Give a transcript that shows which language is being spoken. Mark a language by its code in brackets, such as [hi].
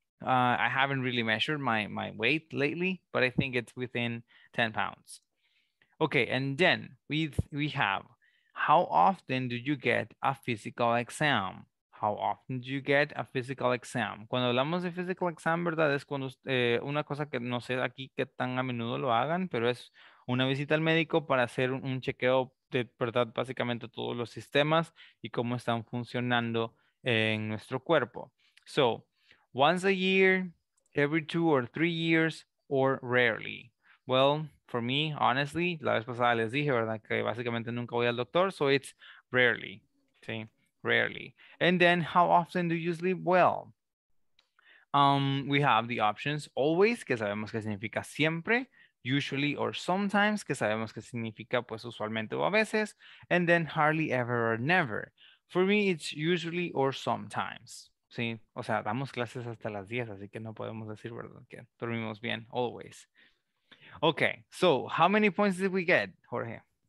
[en] I haven't really measured my weight lately, but I think it's within 10 pounds. Okay, and then we have, how often do you get a physical exam? How often do you get a physical exam? [es] Cuando hablamos de physical exam, ¿verdad? Es cuando una cosa que no sé aquí qué tan a menudo lo hagan, pero es una visita al médico para hacer un chequeo de, ¿verdad? Básicamente todos los sistemas y cómo están funcionando en nuestro cuerpo. [en] So, once a year, every 2 or 3 years, or rarely. Well, for me, honestly, [es] la vez pasada les dije, ¿verdad? Que básicamente nunca voy al doctor, [en] so it's rarely, [es] ¿sí? Rarely. [en] And then, how often do you sleep well? We have the options always, [es] que sabemos que significa siempre, [en] usually or sometimes, [es] que sabemos que significa pues usualmente o a veces, [en] and then hardly ever or never. For me, it's usually or sometimes, ¿sí? [es] O sea, damos clases hasta las 10, así que no podemos decir, ¿verdad? Que dormimos bien, always. [en] Okay, so how many points did we get, Jorge?